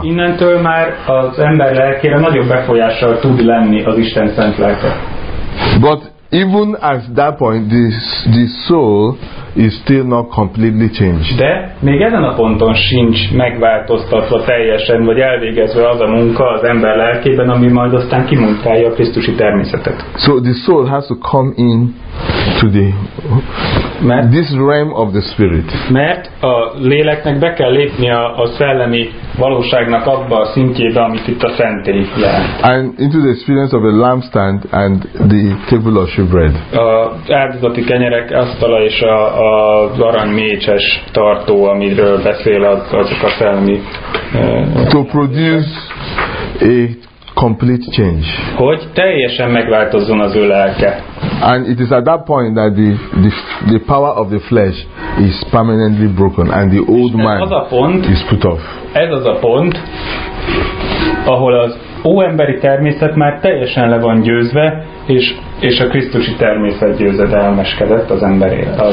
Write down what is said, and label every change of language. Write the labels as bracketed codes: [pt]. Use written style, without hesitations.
[hu] Innentől már az ember lelkére nagyobb befolyással tud lenni az Isten szent lelke. [en] But even at that point, the soul is still not completely changed. [hu] De még ezen a ponton sincs megváltoztatva teljesen, vagy elvégezve az a munka az ember lelkében, ami majd aztán kimunkálja a krisztusi természetet. [en] So the soul has to come in to the this realm of the spirit. [hu] Mert a léleknek be kell lépni a szellemi valóságnak abba a szintjébe, amit itt a szentély jelent. [en] And into the experience of a lampstand and the table of showbread. [hu] A áldozati kenyerek asztala és a arany mécses tartó, amiről beszél azok a szellemi [en] to produce a complete change. [hu] Hogy teljesen megváltozzon az ő lelke. [en] And it is at that point that the power of the flesh is permanently broken and the old man is put off. [hu] Ez az a pont, ahol az óemberi természet már teljesen le van győzve, és a krisztusi természet győzedelmeskedett az emberé.